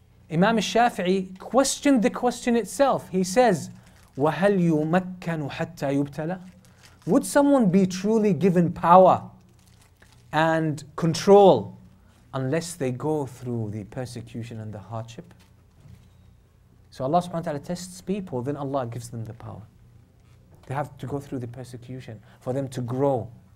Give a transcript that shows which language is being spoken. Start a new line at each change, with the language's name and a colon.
English: Imam al-Shafi'i questioned the question itself. He says,
Arabic: وَهَلْ يُمَكَّنُ حَتَّى يُبْتَلَى.
English: Would someone be truly given power and control unless they go through the persecution and the hardship? So Allah subhanahu wa ta'ala tests people, then Allah gives them the power. They have to go through the persecution for them to grow.